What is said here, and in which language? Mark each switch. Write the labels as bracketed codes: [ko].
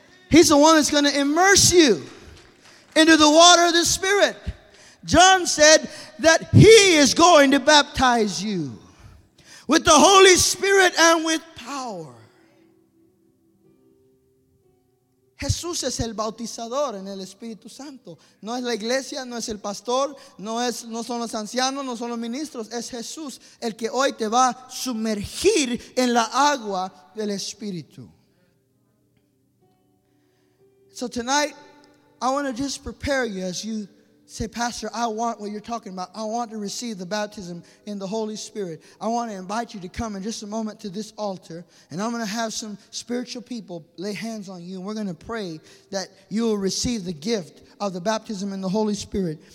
[en] He's the one that's going to immerse you into the water of the Spirit. John said that he is going to baptize you with the Holy Spirit and with power. [es] Jesús es el bautizador en el Espíritu Santo. No es la iglesia, no es el pastor, no son los ancianos, no son los ministros. Es Jesús el que hoy te va a sumergir en la agua del Espíritu. [en] So tonight, I want to just prepare you as you say, Pastor, I want what you're talking about. I want to receive the baptism in the Holy Spirit. I want to invite you to come in just a moment to this altar. And I'm going to have some spiritual people lay hands on you. And we're going to pray that you will receive the gift of the baptism in the Holy Spirit.